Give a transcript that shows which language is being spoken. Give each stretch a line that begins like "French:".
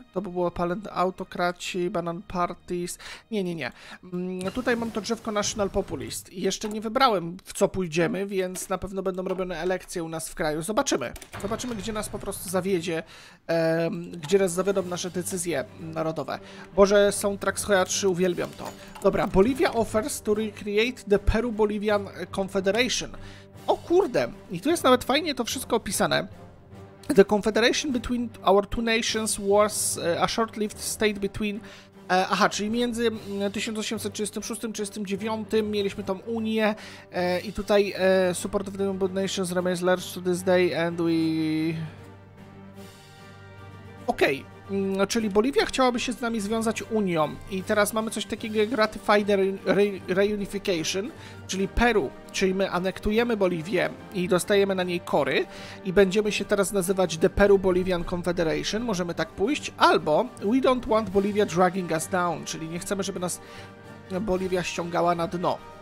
Polish: To by było palent autokraci, banan parties. Nie. Tutaj mam to drzewko national populist. Jeszcze nie wybrałem, w co pójdziemy, więc na pewno będą robione elekcje u nas w kraju. Zobaczymy. Zobaczymy, gdzie nas po prostu zawiedzie, gdzie nas zawiodą nasze decyzje narodowe. Boże, soundtrack z Hoja 3, uwielbiam to. Dobra,
English: Bolivia offers to recreate the Peru-Bolivian Confederation.
Polish: O kurde, i tu jest nawet fajnie to wszystko opisane.
English: The confederation between our two nations was a short-lived state between...
Polish: czyli między 1836-1839 mieliśmy tą Unię i tutaj
English: support of the United Nations remains large to this day and we...
Polish: Okej. Czyli Boliwia chciałaby się z nami związać Unią i teraz mamy coś takiego jak Ratified Reunification, czyli Peru, czyli my anektujemy Boliwię i dostajemy na niej kory i będziemy się teraz nazywać The Peru Bolivian Confederation, możemy tak pójść, albo
English: We don't want Bolivia dragging us down,
Polish: czyli nie chcemy, żeby nas Boliwia ściągała na dno.